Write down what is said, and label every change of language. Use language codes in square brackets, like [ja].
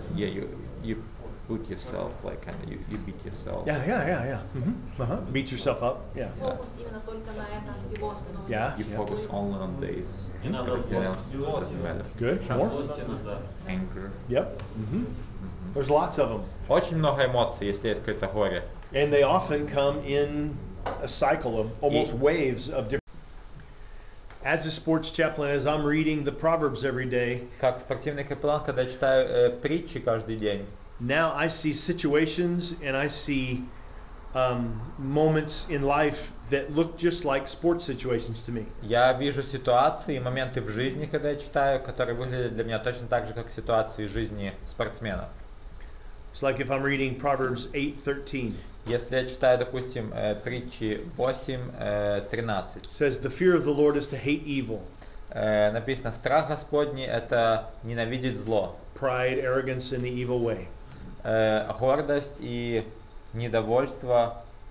[en] Yeah, you put yourself like kind of you beat yourself. Yeah. Mm-hmm. Uh-huh. Beat yourself up. Yeah. [ru] Focus именно только на этом всего остального. [en] Yeah. You focus only on this. Good. More. Anger. Yep. Mm-hmm. There's lots of them. [ru] Очень много эмоций, если есть какое-то горе. [en] And they often come in a cycle of almost waves of different. As a sports chaplain, as I'm reading the Proverbs every day. [ru] Как спортивный капеллан, когда я читаю притчи каждый день. [en] Now I see situations and I see moments in life that look just like sports situations to me. [ru] Я вижу ситуации и моменты в жизни, когда я читаю, которые выглядят для меня точно так же, как ситуации жизни спортсменов. [en] It's like if I'm reading Proverbs 8:13. [ru] Если я читаю, допустим, притчи 8:13. [en] Says the fear of the Lord is to hate evil. [ru] Написано, страх Господний – это ненавидеть зло. [en] Pride, arrogance in the evil way. [ru] Гордость и недовольство.